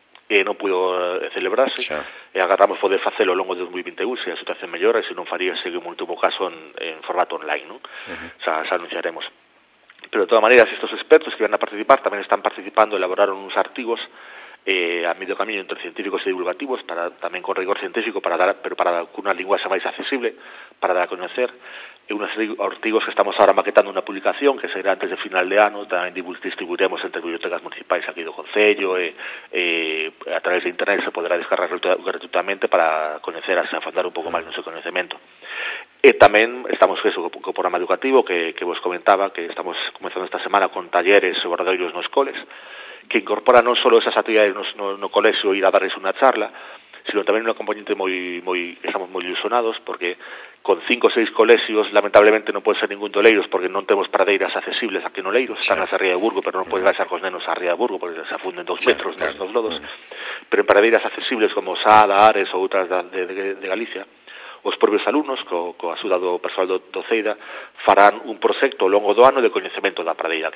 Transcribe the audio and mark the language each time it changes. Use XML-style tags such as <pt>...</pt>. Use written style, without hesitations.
<gl>Non pudo celebrarse, e agarramos poder facelo ao longo de 2021, se a situación mellora, e se non faría, seguir moito bo caso en formato online, non? Xa anunciaremos. Pero, de toda maneira, estes expertos que van a participar tamén están participando, elaboraron uns artigos a medio camiño entre científicos e divulgativos, para tamén con rigor científico, pero para cunha linguaxe máis accesible, para dar a conocer.</gl> <es>E unos artigos que estamos ahora maquetando una publicación que será antes de final de año, también distribuiremos entre bibliotecas municipales aquí del concello, a través de internet se podrá descargar gratuitamente para conocer, así afondar un poco más nuestro conocimiento.</es> <gl>E tamén estamos con o programa educativo que vos comentaba, que estamos comenzando esta semana con talleres e obradoiros nos coles, que incorpora non solo esas actividades no colexio,</gl> <es>ir a darles una charla,</es> <gl>sino tamén unha componente moi estamos moi ilusionados, porque con 5 ou 6 colexios, lamentablemente non pode ser ningún de Oleiros, porque non temos pradeiras accesibles aquí en Oleiros, están na Ría de Burgo, pero non podes baixar cos nenos a Ría de Burgo, porque se afunden 2 metros nos lodos, pero en pradeiras accesibles como Sada, Ares ou outras de Galicia, os propios alumnos, coa axuda do personal do CEIDA, farán un proxecto ao longo do ano de coñecemento da pradeira.</gl>